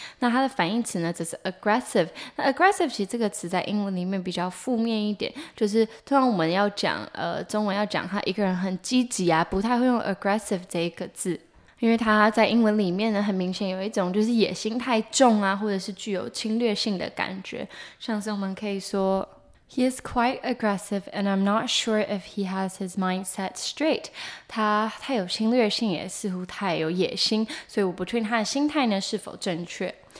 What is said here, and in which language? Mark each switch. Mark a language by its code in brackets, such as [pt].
[zh] 那他的反义词呢，则是 aggressive。那 aggressive 其实这个词在英文里面比较负面一点，就是通常我们要讲中文要讲他一个人很积极啊，不太会用 aggressive 这一个字。因为他在英文里面呢，很明显有一种就是野心太重啊，或者是具有侵略性的感觉。像是我们可以说 [en] He is quite aggressive and I'm not sure if he has his mindset straight. [zh] 他太有侵略性，也似乎太有野心，所以我不确定他的心态呢是否正确。